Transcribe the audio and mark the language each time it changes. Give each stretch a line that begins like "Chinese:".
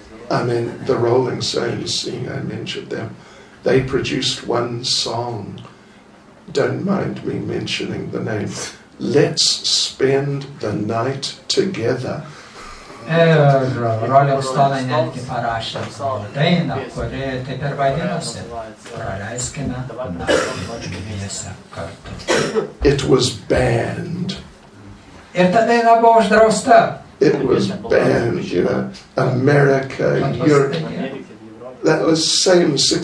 English: I mean, the Rolling Stones, seeing I mentioned them, they produced one song, don't mind me mentioning the name, Let's Spend the Night Together.
Lithuanian: Ir Rolling Stones netgi parašė dainą, kuri taip ir vadinosi, praleiskime naktį dviese kartu.
English: It was banned.
Lithuanian: Ir ta daina buvo uždrausta.
English: It was banned, you know, America, Europe, that was same